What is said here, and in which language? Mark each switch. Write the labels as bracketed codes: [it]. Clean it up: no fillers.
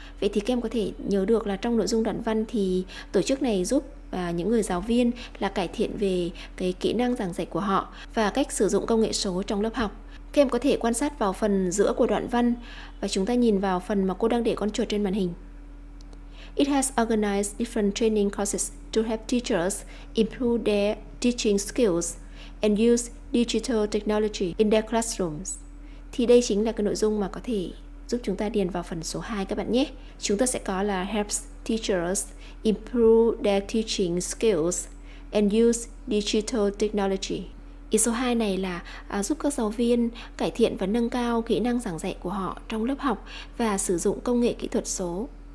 [vi] Vậy thì các em có thể nhớ được là trong nội dung đoạn văn thì tổ chức này giúp những người giáo viên là cải thiện về cái kỹ năng giảng dạy của họ và cách sử dụng công nghệ số trong lớp học. Các em có thể quan sát vào phần giữa của đoạn văn và chúng ta nhìn vào phần mà cô đang để con chuột trên màn hình. [en] It has organized different training courses to help teachers improve their teaching skills and use digital technology in their classrooms. [vi] Thì đây chính là cái nội dung mà có thể giúp chúng ta điền vào phần số 2 các bạn nhé. Chúng ta sẽ có là [en] helps teachers improve their teaching skills and use digital technology. [vi] Ý số 2 này là giúp các giáo viên cải thiện và nâng cao kỹ năng giảng dạy của họ trong lớp học và sử dụng công nghệ kỹ thuật số.